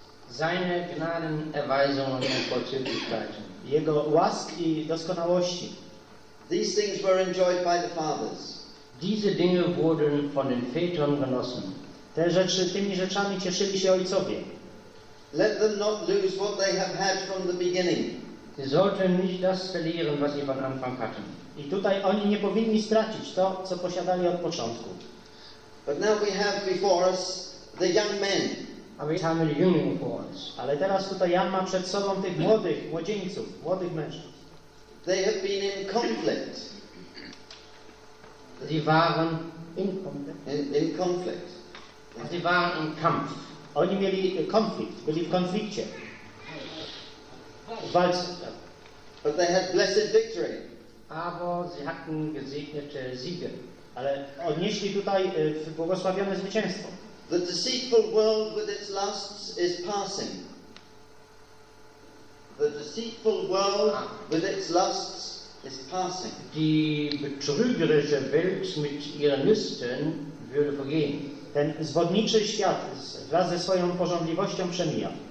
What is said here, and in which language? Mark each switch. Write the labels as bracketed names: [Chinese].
[German] Seine Gnaden, Erweisungen und Vorzüglichkeiten. [Polish] Jego łask i doskonałości. [English] These things were enjoyed by the fathers. [German] Diese Dinge wurden von den Vätern genossen. [Polish] Te rzeczy, tymi rzeczami cieszyli się ojcowie. [English] Let them not lose what they have had from the beginning. [German] Sie sollten nicht das verlieren, was sie von Anfang hatten. [Polish] I tutaj oni nie powinni stracić to, co posiadali od początku. [English] But now we have before us the young men. [Polish] A więc mamy [German] jungen vor uns. [Polish] Ale teraz tutaj Jan ma przed sobą tych młodych, młodzieńców, młodych mężczyzn. [English] They have been in conflict. [German] Sie waren [English] in conflict. In conflict. [German] Sie waren im Kampf. [Polish] Oni mieli konflikt, byli w konflikcie. W walce. [English] But they had blessed victory. [German] Aber sie hatten gesegnete Siege. [Polish] Ale odnieśli tutaj błogosławione zwycięstwo. [English] The deceitful world with its lusts is passing. The deceitful world with its lusts is passing. [German] Die betrügerische Welt mit ihren Lüsten würde vergehen. [Polish] Ten zwodniczy świat wraz ze swoją pożądliwością przemija.